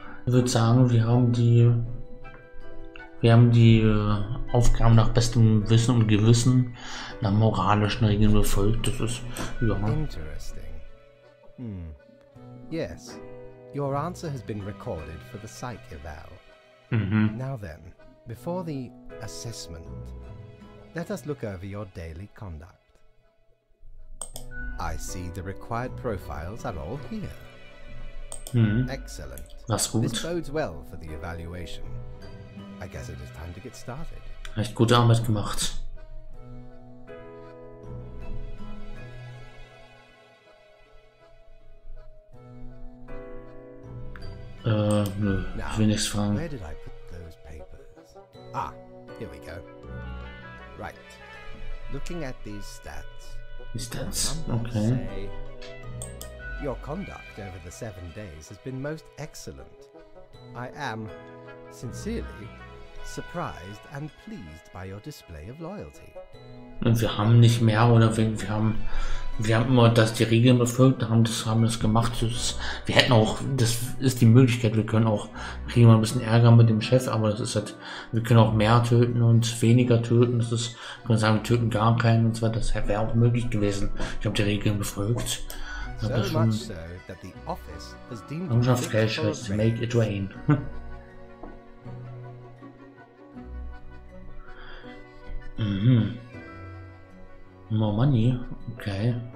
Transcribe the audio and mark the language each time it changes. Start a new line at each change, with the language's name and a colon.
German: Ich würde sagen, wir haben die Aufgaben nach bestem Wissen und Gewissen, nach moralischen Regeln befolgt. Das ist ja.
English: Interesting. Yes. Your answer has been recorded for the psych eval. Now then, before the assessment, let us look over your daily conduct. I see the required profiles are all here. Excellent.
German: Das ist gut.
English: This bodes well for the evaluation. I guess it is time to get started.
German: Echt gute Arbeit gemacht. Nö, ich will nichts fragen.
English: Where did I put those papers? Ah, here we go. Right. Looking at these stats. These stats, okay. Your conduct over the 7 days has been most excellent. I am sincerely surprised and pleased by your display of loyalty.
German: Und wir haben nicht mehr oder weniger, wir haben immer das die Regeln befolgt, haben das gemacht. Das ist die Möglichkeit, wir können auch kriegen wir ein bisschen Ärger mit dem Chef, aber das ist halt, wir können auch mehr töten und weniger töten. Das ist, kann man sagen, wir töten gar keinen und zwar, das wäre auch möglich gewesen. Ich habe die Regeln befolgt.
English: So much so that the office has deemed it unsafe to make it rain. More money, okay.